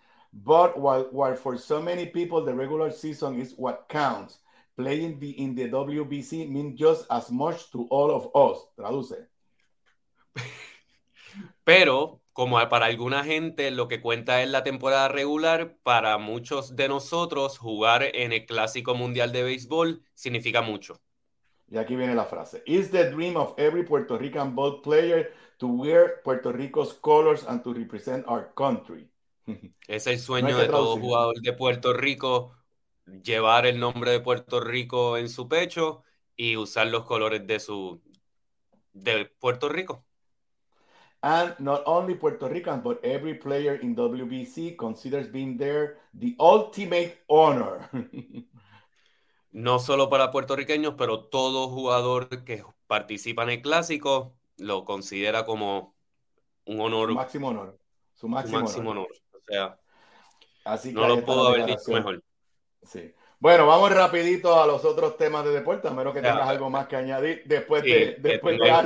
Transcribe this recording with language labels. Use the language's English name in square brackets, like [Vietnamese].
[English] But while for so many people the regular season is what counts, playing in the WBC means just as much to all of us. [Spanish] Traduce. Pero como para alguna gente lo que cuenta es la temporada regular, para muchos de nosotros jugar en el Clásico Mundial de Béisbol significa mucho. Y aquí viene la frase. [English] It's the dream of every Puerto Rican ball player to wear Puerto Rico's colors and to represent our country. [Spanish] Es el sueño de todo jugador de Puerto Rico, llevar el nombre de Puerto Rico en su pecho y usar los colores de Puerto Rico. [English] And not only Puerto Ricans, but every player in WBC considers being there the ultimate honor. [Spanish] No solo para puertorriqueños, pero todo jugador que participa en el Clásico lo considera como un honor. Su máximo honor. O sea, así que no lo pudo haber dicho mejor. Sí. Bueno, vamos rapidito a los otros temas de deporte, a menos que tengas algo más que añadir después de Alex.